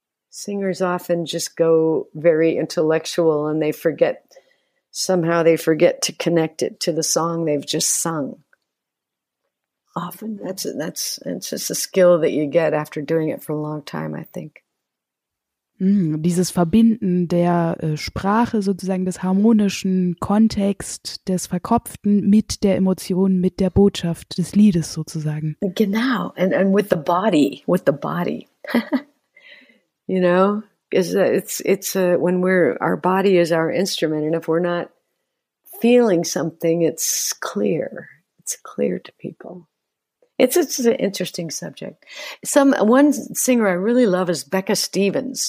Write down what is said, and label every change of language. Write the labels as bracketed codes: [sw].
[en] Singers often just go very intellectual and they forget to connect it to the song they've just sung. Often it's just a skill that you get after doing it for a long time, I think. [de] Dieses Verbinden der Sprache sozusagen, des harmonischen Kontext, des Verkopften mit der Emotion, mit der Botschaft des Liedes sozusagen. Genau, [en] and with the body, you know, our body is our instrument, and if we're not feeling something, it's clear to people. It's an interesting subject. One singer I really love is Becca Stevens.